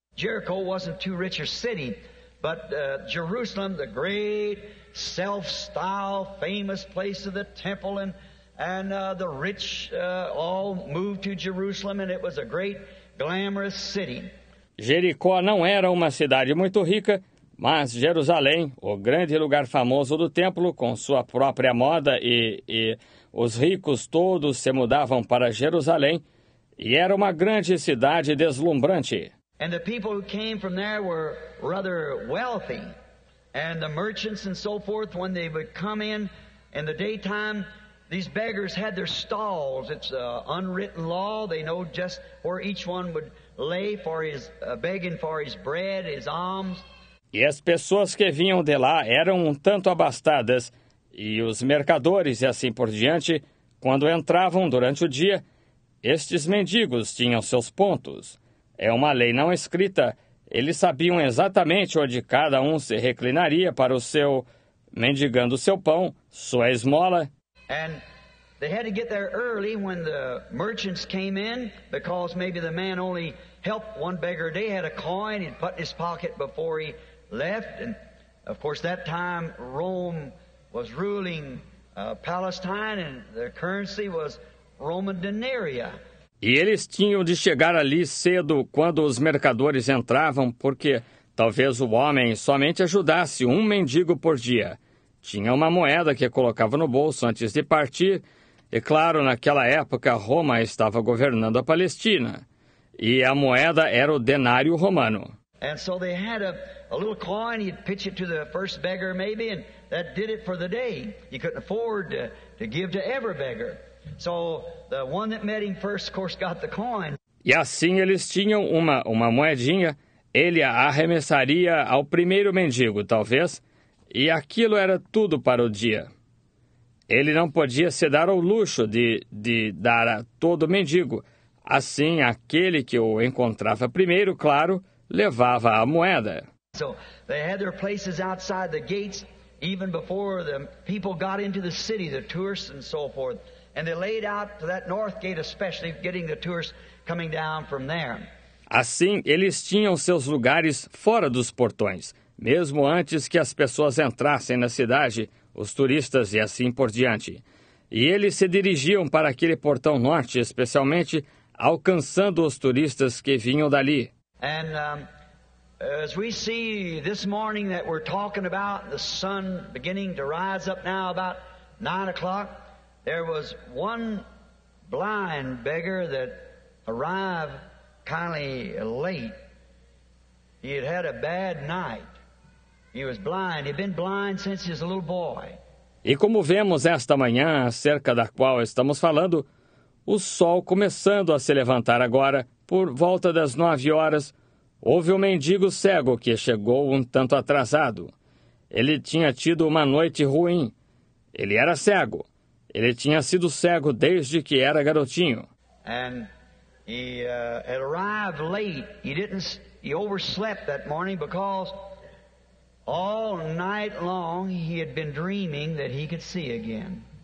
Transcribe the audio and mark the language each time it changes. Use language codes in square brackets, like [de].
[en] Jericho wasn't too rich a city, but Jerusalem, the great self-styled famous place of the temple, and the rich all moved to Jerusalem, and it was a great glamorous city. [pt] Jericó não era uma cidade muito rica, mas Jerusalém, o grande lugar famoso do templo, com sua própria moda, e os ricos todos se mudavam para Jerusalém, e era uma grande cidade deslumbrante. [en] And the people who came from there were rather wealthy. And the merchants and so forth, when they would come in the daytime, these beggars had their stalls. It's an unwritten law. They know just where each one would lay for his begging for his bread, his alms. [pt] E as pessoas que vinham de lá eram um tanto abastadas, e os mercadores e assim por diante, quando entravam durante o dia, estes mendigos tinham seus pontos. É uma lei não escrita. Eles sabiam exatamente onde cada um se reclinaria para o seu, mendigando seu pão, sua esmola. [en] And they had to get there early when the merchants came in, because maybe the man only helped one beggar a day, had a coin he'd put in his pocket before he left. And of course that time Rome was ruling Palestine and the currency was Roman denaria. [pt] E eles tinham de chegar ali cedo quando os mercadores entravam, porque talvez o homem somente ajudasse um mendigo por dia. Tinha uma moeda que colocava no bolso antes de partir, e claro, naquela época Roma estava governando a Palestina, e a moeda era o denário romano. [en] And so they had a little coin, you'd pitch it to the first beggar maybe, and that did it for the day. You couldn't afford to give to every beggar. So the one that met him first, of course, got the coin. [pt] E assim eles tinham uma moedinha, ele a arremessaria ao primeiro mendigo, talvez, e aquilo era tudo para o dia. Ele não podia se dar ao luxo de dar a todo mendigo. Assim, aquele que o encontrava primeiro, claro, levava a moeda. [en] So they had their places outside the gates, even before the people got into the city, the tourists and so forth. And they laid out to that north gate, especially getting the tourists coming down from there. [pt] Assim, eles tinham seus lugares fora dos portões, mesmo antes que as pessoas entrassem na cidade, os turistas e assim por diante. E eles se dirigiam para aquele portão norte, especialmente alcançando os turistas que vinham dali. [en] And as we see this morning that we're talking about, the sun beginning to rise up now about 9 o'clock. There was one blind beggar that arrived kindly late. He had had a bad night. He was blind. He'd been blind since he was a little boy. [pt] E como vemos esta manhã, acerca da qual estamos falando, o sol começando a se levantar agora, por volta das 9 horas, houve um mendigo cego que chegou um tanto atrasado. Ele tinha tido uma noite ruim. Ele era cego. Ele tinha sido cego desde que era garotinho. [en] And he had arrived late. He overslept that morning because all night long he had been dreaming that he could see again.